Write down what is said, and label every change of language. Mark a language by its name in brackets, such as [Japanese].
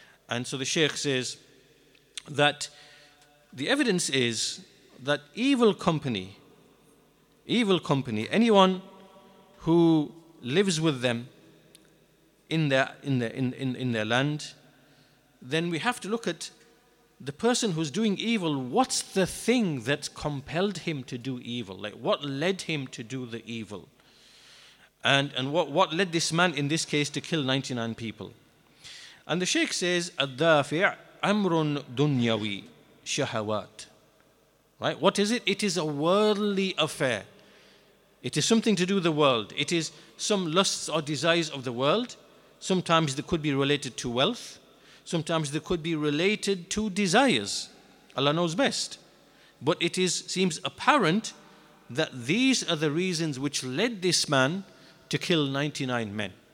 [English] And so the Shaykh says that the evidence is that evil company, anyone who lives with them in their land, then we have to look at the person who's doing evil. What's the thing that compelled him to do evil? Like, what led him to do the evil? And what led this man in this case to kill 99 people? And the Shaykh says, [Arabic] الدافع أمر دنيوي شهوات. [English] Right? What is it? It is a worldly affair. It is something to do with the world. It is some lusts or desires of the world. Sometimes they could be related to wealth. Sometimes they could be related to desires. Allah knows best. But it seems apparent that these are the reasons which led this man to kill 99 men.